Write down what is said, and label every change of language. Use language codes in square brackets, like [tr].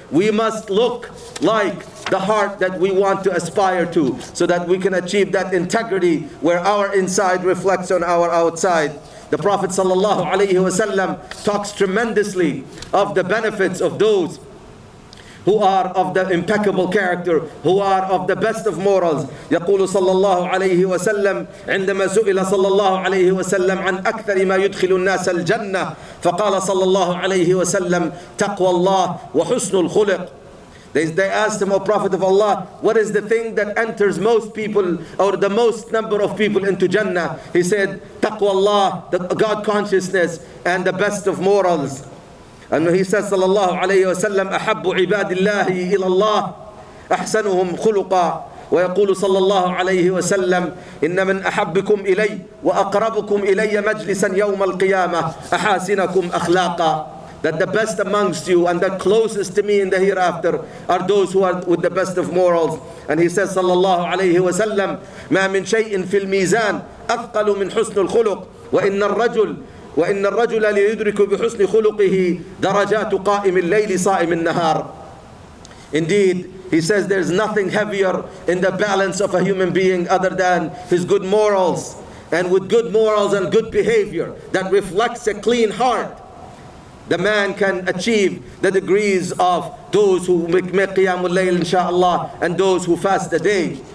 [en] We must look like the heart that we want to aspire to, so that we can achieve that integrity where our inside reflects on our outside. The Prophet sallallahu alayhi wasallam talks tremendously of the benefits of those who are of the impeccable character, who are of the best of morals. [ar] يقول صلى الله عليه وسلم عندما سئل صلى الله عليه وسلم عن أكثر ما يدخل الناس الجنة فقال صلى الله عليه وسلم تقوى الله وحسن الخلق. [en] They asked him, O Prophet of Allah, what is the thing that enters most people or the most number of people into Jannah? He said, [ar] تقوى الله, [en] the God consciousness and the best of morals. And he says, [ar] صلى الله عليه وسلم, أحب عباد الله إلى الله أحسنهم خلقا. ويقول صلى الله عليه وسلم, إن من أحبكم إلي وأقربكم إلي مجلسا يوم القيامة أحاسنكم أخلاقا. [en] That the best amongst you and the closest to me in the hereafter are those who are with the best of morals. And he says, [ar] صلى الله عليه وسلم, ما من شيء في الميزان أثقل من حسن الخلق وإن الرجل ليدرك بحسن خلقه درجات قائم الليل صائم النهار. [en] Indeed, he says there's nothing heavier in the balance of a human being other than his good morals. And with good morals and good behavior that reflects a clean heart, the man can achieve the degrees of those who make qiyam al-layl insha'Allah and those who fast the day.